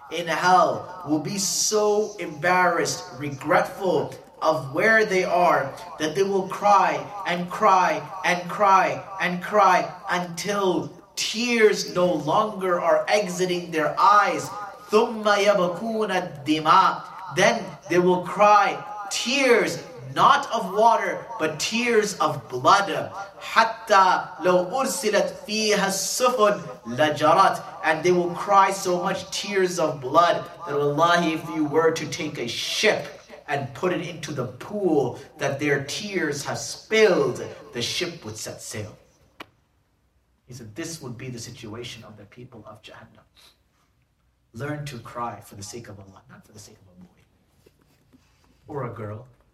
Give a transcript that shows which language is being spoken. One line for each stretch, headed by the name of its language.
English: In hell, will be so embarrassed, regretful of where they are, that they will cry and cry and cry and cry until tears no longer are exiting their eyes.
Arabic: ثُمَّ يَبْكُونَ الدِّمَاءَ.
English: Then they will cry tears, not of water, but tears of blood.
Arabic: Hatta لَوْ أُرْسِلَتْ فِيهَا السُّفُنْ لَجَرَتْ.
English: And they will cry so much tears of blood that wallahi, if you were to take a ship and put it into the pool that their tears have spilled, the ship would set sail. He said, this would be the situation of the people of Jahannam. Learn to cry for the sake of Allah, not for the sake of a boy or a girl.